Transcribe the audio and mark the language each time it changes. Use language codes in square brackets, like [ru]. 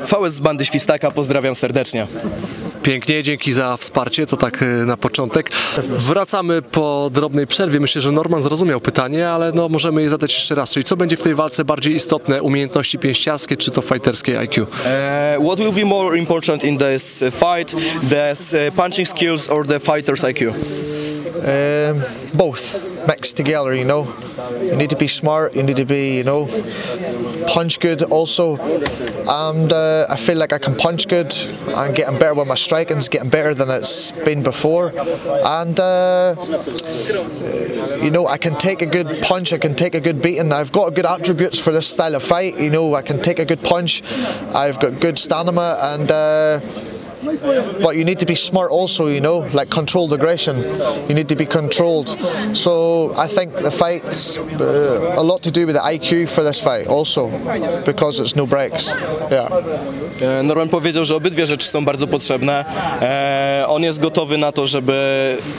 [pl] VS z bandy Świstaka, pozdrawiam serdecznie. Pięknie, dzięki za wsparcie, to tak na początek. Wracamy po drobnej przerwie. Myślę, że Norman zrozumiał pytanie, ale no możemy je zadać jeszcze raz. Czyli co będzie w tej walce bardziej istotne? Umiejętności pięściarskie czy to fighterskie IQ? [en] What will be more important in this fight? The punching skills or the fighter's IQ? Both mixed together, you know. You need to be smart, you need to be, you know, punch good also. And I feel like I can punch good. I'm getting better with my striking, it's getting better than it's been before. And, you know, I can take a good punch, I can take a good beating. I've got good attributes for this style of fight, you know, I can take a good punch. I've got good stamina and... But you need to be smart also, you know, like controlled aggression. You need to be controlled. So I think the fight's a lot to do with the IQ for this fight also, because it's no breaks. Yeah. [pl] Norman powiedział, że obydwie rzeczy są bardzo potrzebne. On jest gotowy na to, żeby...